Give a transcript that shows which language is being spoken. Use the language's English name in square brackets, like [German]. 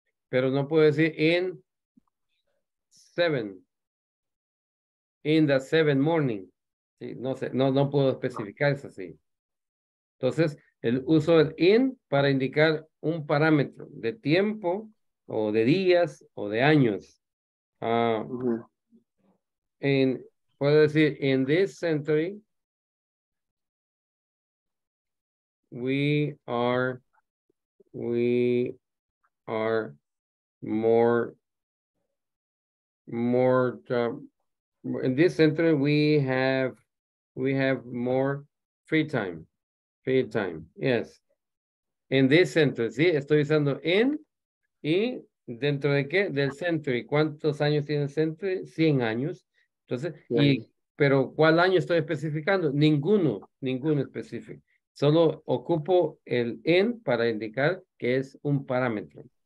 [Spanish] Pero no puedo decir in 7. [English] In the 7 morning. [Spanish] Sí, no sé, no puedo especificar eso así. Entonces, el uso del in para indicar un parámetro de tiempo o de días o de años. Puedo decir [English] in this century we are in this center we have more free time. Yes, in this center. [Spanish] Sí, estoy usando in y dentro de qué, del century. ¿Cuántos años tiene el century? 100 años. Entonces, y pero ¿cuál año estoy especificando? Ninguno específico. Solo ocupo el in para indicar que es un parámetro.